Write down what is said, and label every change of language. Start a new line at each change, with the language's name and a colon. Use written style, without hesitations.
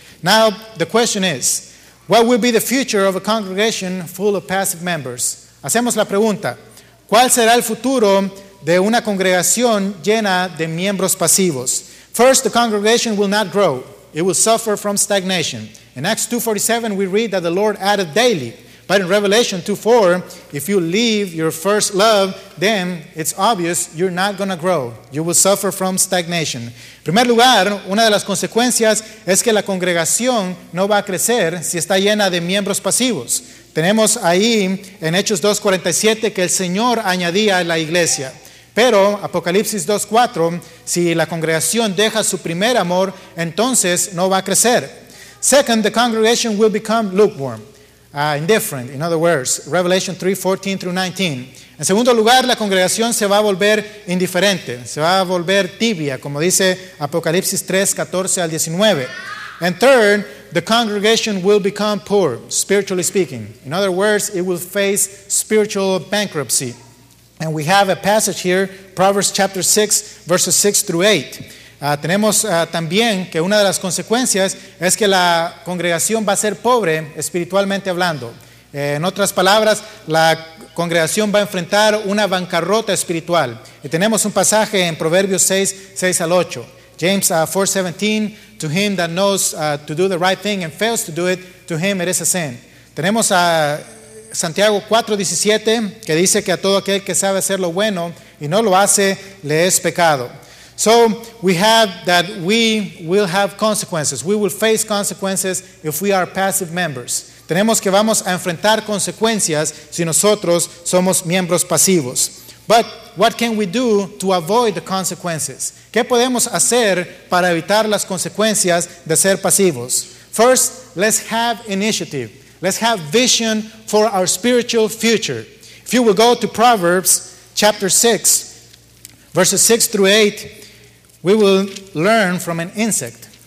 English: Now, the question is, what will be the future of a congregation full of passive members?
Spanish: Hacemos la pregunta, ¿cuál será el futuro de una congregación llena de miembros pasivos?
English: First, the congregation will not grow. It will suffer from stagnation. In Acts 2:47, we read that the Lord added daily. But in Revelation 2:4, if you leave your first love, then it's obvious you're not going to grow. You will suffer from stagnation.
Spanish: En primer lugar, una de las consecuencias es que la congregación no va a crecer si está llena de miembros pasivos. Tenemos ahí en Hechos 2:47 que el Señor añadía a la iglesia. Pero Apocalipsis 2:4, si la congregación deja su primer amor, entonces no va a crecer.
English: Second, the congregation will become lukewarm. Indifferent, in other words, Revelation 3:14 through 19.
Spanish: En segundo lugar, la congregación se va a volver indiferente, se va a volver tibia, como dice Apocalipsis 3, 14 al 19.
English: And third, the congregation will become poor, spiritually speaking. In other words, it will face spiritual bankruptcy. And we have a passage here, Proverbs chapter 6, verses 6 through 8.
Spanish: Tenemos también que una de las consecuencias es que la congregación va a ser pobre espiritualmente hablando. En otras palabras, la congregación va a enfrentar una bancarrota espiritual. Y tenemos un pasaje en Proverbios 6, 6 al 8.
English: James 4:17, to him that knows to do the right thing and fails to do it, to him it is a sin.
Spanish: Tenemos a Santiago 4:17, que dice que a todo aquel que sabe hacer lo bueno y no lo hace, le es pecado.
English: So we have that we will have consequences. We will face consequences if we are passive members.
Spanish: Tenemos que vamos a enfrentar consecuencias si nosotros somos miembros pasivos.
English: But what can we do to avoid the consequences?
Spanish: ¿Qué podemos hacer para evitar las consecuencias de ser pasivos?
English: First, let's have initiative. Let's have vision for our spiritual future. If you will go to Proverbs chapter 6, verses 6 through 8, we will learn from an insect.